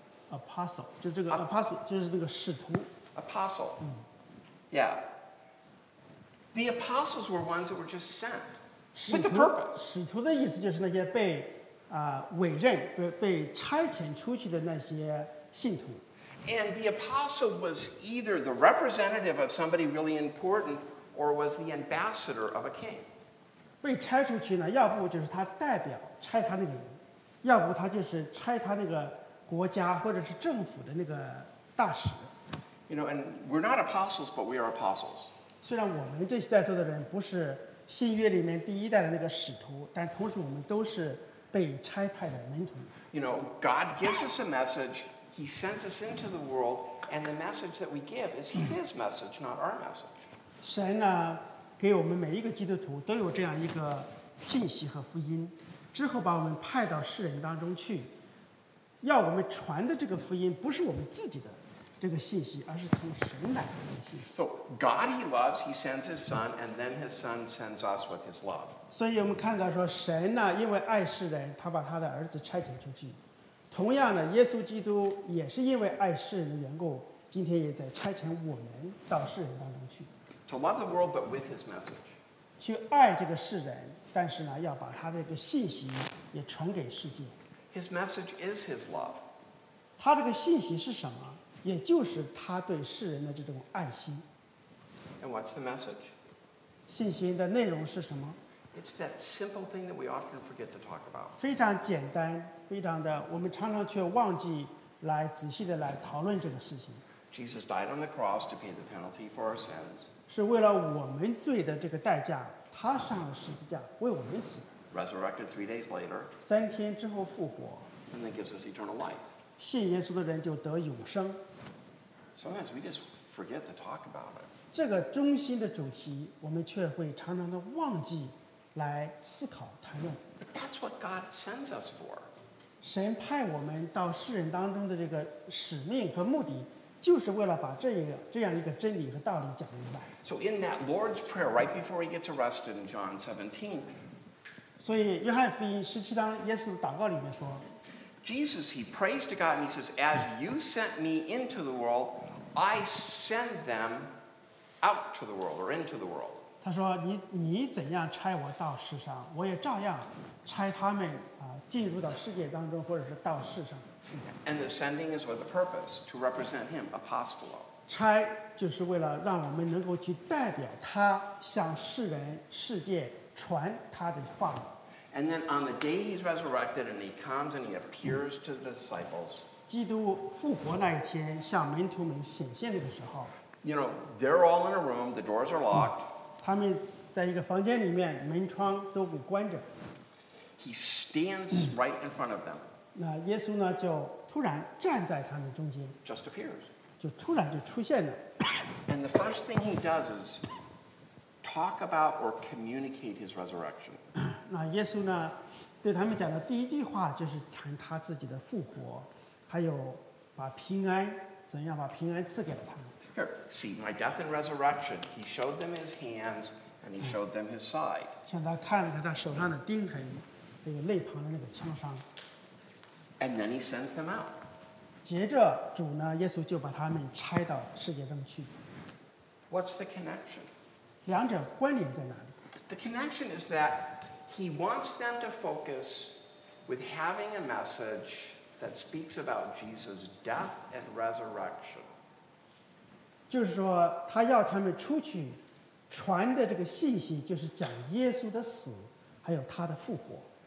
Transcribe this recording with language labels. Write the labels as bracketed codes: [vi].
[zh] Apostle， 就这个 apostle， 就是那个使徒。 [en] Apostle. Yeah. The apostles were ones that were just sent with a purpose. [zh] 使徒的意思就是那些被委任被差遣出去的那些信徒。 [en] And the apostle was either the representative of somebody really important, or was the ambassador of a king. [zh] 被拆出去呢，要不就是他代表拆他那个人，要不他就是拆他那个国家或者是政府的那个大使。 [en] You know, and we're not apostles, but we are apostles. [zh] 虽然我们这些在座的人不是新约里面第一代的那个使徒，但同时我们都是被拆派的门徒。 [en] You know, God gives us a message. He sends us into the world, and the message that we give is His message, not our message. [zh] 神呢，给我们每一个基督徒都有这样一个信息和福音，之后把我们派到世人当中去，要我们传的这个福音不是我们自己的这个信息，而是从神来的信息。 [en] So God, He loves, He sends His Son, and then His Son sends us with His love. [zh] 所以我们看到说，神呢，因为爱世人，他把他的儿子差遣出去。同样的，耶稣基督也是因为爱世人的缘故，今天也在差遣我们到世人当中去。 [en] To love the world, but with His message. [zh] 去爱这个世人，但是呢，要把他的一个信息也传给世界。 [en] His message is His love. [zh] 他这个信息是什么？也就是他对世人的这种爱心。 [en] And what's the message? [zh] 信息的内容是什么？ [en] It's that simple thing that we often forget to talk about. [zh] 非常简单，非常的，我们常常却忘记来仔细的来讨论这个事情。 [en] Jesus died on the cross to pay the penalty for our sins. [zh] 是为了我们罪的这个代价，他上了十字架为我们死。 [en] Resurrected 3 days later. [zh] 三天之后复活。 [en] And then gives us eternal life. [zh] 信耶稣的人就得永生。 [en] Sometimes we just forget to talk about it. [zh] 这个中心的主题，我们却会常常的忘记。来思考谈论。 [en] But that's what God sends us for. [zh] 神派我们到世人当中的这个使命和目的，就是为了把这样一个真理和道理讲明白。 [en] So in that Lord's prayer, right before he gets arrested in John 17. [zh] 所以约翰福音十七章耶稣祷告里面说 [en] ，Jesus, he prays to God and he says, "As you sent me into the world, I send them out to the world or into the world." [zh] 他说你怎样差我到世上，我也照样差他们进入到世界当中，或者是到世上。 [en] And the sending is with a purpose to represent him, apostolo. [zh] 差就是为了让我们能够去代表他，向世人世界传他的话。 [en] And then on the day he's resurrected and he comes and he appears to the disciples. [zh] 基督复活那一天向门徒们显现的时候。 [en] You know, they're all in a room, the doors are locked. [zh] 他们在一个房间里面，门窗都给关着。 [en] He stands right in front of them. [zh] 那耶稣呢，就突然站在他们中间。 [en] Just appears. [zh] 就突然就出现了。 [en] And the first thing he does is talk about or communicate his resurrection. [zh] 那耶稣呢，对他们讲的第一句话就是谈他自己的复活，还有把平安怎样把平安赐给了他们。 [en] See my death and resurrection. He showed them his hands and he showed them his side. [zh] 向他看了看他手上的钉痕，那个肋旁的那个枪伤。 [en] And then he sends them out. [zh] 接着主呢，耶稣就把他们差到世界中去。 [en] What's the connection? [zh] 两者关联在哪里？ [en] The connection is that he wants them to focus with having a message that speaks about Jesus' death and resurrection. [zh] 就是说，他要他们出去传的这个信息，就是讲耶稣的死，还有他的复活。